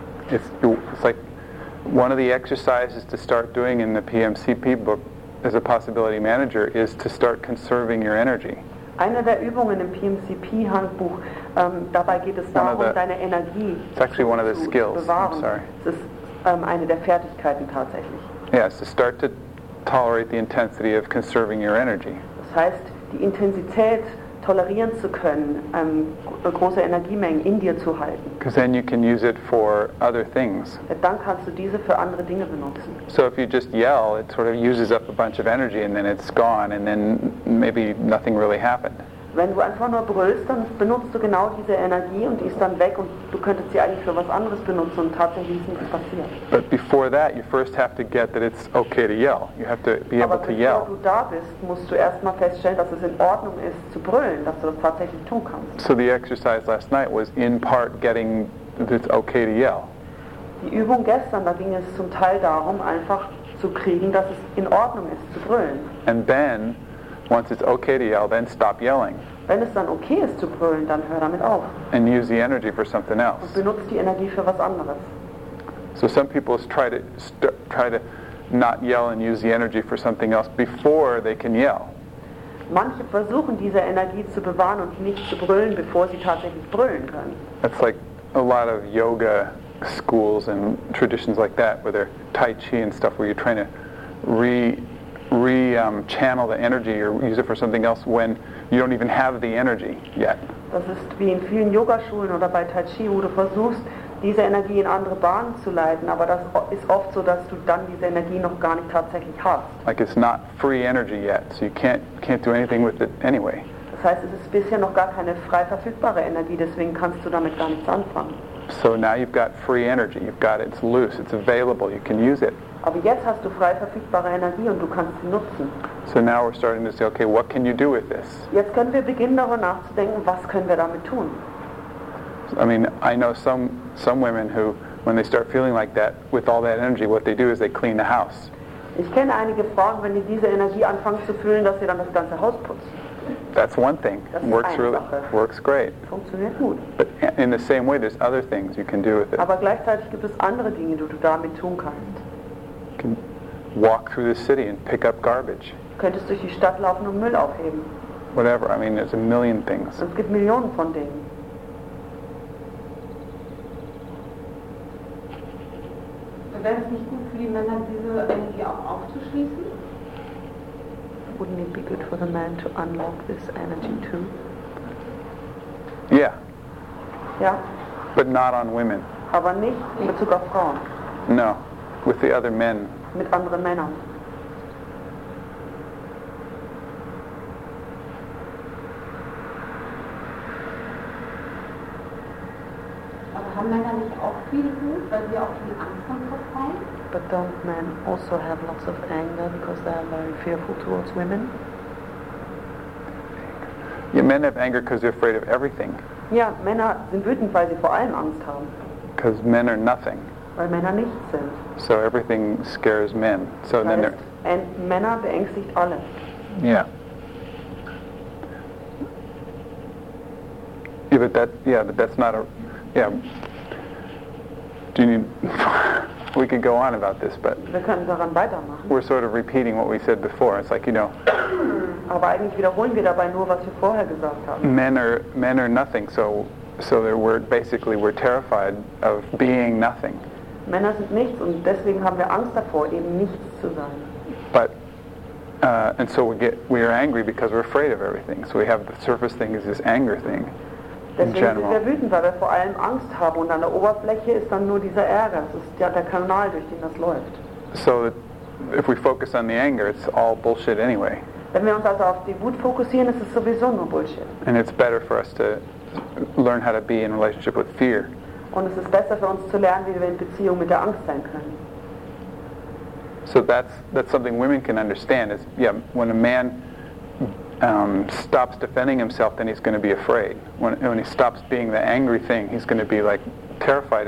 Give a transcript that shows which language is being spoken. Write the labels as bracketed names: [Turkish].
[English] It's like one of the exercises to start doing in the PMCP book as a possibility manager is to start conserving your energy. [German] Eine der Übungen im PMCP Handbuch, dabei geht es darum, deine Energie zu bewahren. [English] It's actually one of the skills. I'm sorry. [German] Es ist eine der Fertigkeiten tatsächlich. [English] Yes, to start to tolerate the intensity of conserving your energy. [German] Das heißt, die Intensität tolerieren zu können, große Energiemengen in dir zu halten. [English] Because then you can use it for other things. [German] Dann kannst du diese für andere Dinge benutzen. [English] So if you just yell, it sort of uses up a bunch of energy and then it's gone and then maybe nothing really happened. [German] Wenn du einfach nur brüllst, dann benutzt du genau diese Energie und die ist dann weg und du könntest sie eigentlich für was anderes benutzen und tatsächlich ist nichts passiert. [English] But before that, you first have to get that it's okay to yell. You have to be able to yell. [German] Aber bevor du da bist, musst du erstmal feststellen, dass es in Ordnung ist zu brüllen, dass du das tatsächlich tun kannst. [English] So the exercise last night was in part getting that it's okay to yell. [German] Die Übung gestern, da ging es zum Teil darum, einfach zu kriegen, dass es in Ordnung ist zu brüllen. [English] And then, once it's okay to yell, then stop yelling. [German] Wenn es dann okay ist zu brüllen, dann hör damit auf. [English] And use the energy for something else. [German] Und benutze die Energie für was anderes. [English] So some people try to not yell and use the energy for something else before they can yell. [German] Manche versuchen diese Energie zu bewahren und nicht zu brüllen, bevor sie tatsächlich brüllen können. [English] That's like a lot of yoga schools and traditions like that, where they're Tai Chi and stuff, where you're trying to channel the energy or use it for something else when you don't even have the energy yet. [German] Das ist wie in vielen Yogaschulen oder bei Tai Chi, wo du versuchst, diese Energie in andere Bahnen zu leiten, aber das ist oft so, dass du dann diese Energie noch gar nicht tatsächlich hast. [English] Like it's not free energy yet, so you can't do anything with it anyway. [German] Das heißt, es ist bisher noch gar keine frei verfügbare Energie, deswegen kannst du damit gar nichts anfangen. [English] So now you've got free energy. You've got it's loose, it's available. You can use it. [German] Aber jetzt hast du frei verfügbare Energie und du kannst sie nutzen. [English] So now we're starting to say, okay, what can you do with this? [German] Jetzt können wir beginnen darüber nachzudenken, was können wir damit tun? [English] I mean, I know some women who, when they start feeling like that, with all that energy, what they do is they clean the house. [German] Ich kenne einige Frauen, wenn sie diese Energie anfangen zu fühlen, dass sie dann das ganze Haus putzen. [English] That's one thing. Works really, works great. [German] Funktioniert gut. [English] But in the same way, there's other things you can do with it. [German] Aber gleichzeitig gibt es andere Dinge, die du damit tun kannst. [English] You can walk through the city and pick up garbage. [German] Könntest durch die Stadt laufen und Müll aufheben. [English] Whatever. I mean, there's a million things. [German] Es gibt Millionen von Dingen. Wäre es nicht gut für die Männer, diese Energie auch aufzuschließen? [English] Wouldn't it be good for the man to unlock this energy too? Yeah. Yeah. But not on women. [German] Aber nicht in Bezug auf Frauen. [English] No, with the other men. [German] Mit anderen Männern. Aber haben Männer nicht auch viel Wut, weil sie auch viel Angst haben vor Frauen? [English] But don't men also have lots of anger because they are very fearful towards women? Yeah, men have anger because they're afraid of everything. [German] Ja, Männer sind wütend, weil sie vor allem Angst haben. [English] Because men are nothing. [German] Weil Männer nichts sind. [English] So everything scares men. So [German] das heißt, [English] then they're. [German] And Männer beängstigt alle. [English] Yeah. Yeah, but that. Yeah, but that's not a. Yeah. Do you need? We could go on about this, but [German] wir können daran weitermachen. [English] We're sort of repeating what we said before. It's like, you know, [German] aber eigentlich wiederholen wir dabei nur, was wir vorher gesagt haben. [English] Men are nothing, so we're basically terrified of being nothing. [German] Männer sind nichts und deswegen haben wir Angst davor, eben nichts zu sein. [English] But and so we are angry because we're afraid of everything. So we have the surface thing is this anger thing. [German] Deswegen sind wir wütend, weil wir vor allem Angst haben und an der Oberfläche ist dann nur dieser Ärger. Das ist ja der Kanal, durch den das läuft. [English] So, if we focus on the anger, it's all bullshit anyway. [German] Wenn wir uns also auf die Wut fokussieren, ist es sowieso nur Bullshit. [English] And it's better for us to learn how to be in relationship with fear. [German] Und es ist besser für uns zu lernen, wie wir in Beziehung mit der Angst sein können. [English] So that's something women can understand. Is yeah, when a man stops defending himself, then he's going to be afraid. When he stops being the angry thing, he's going to be like terrified.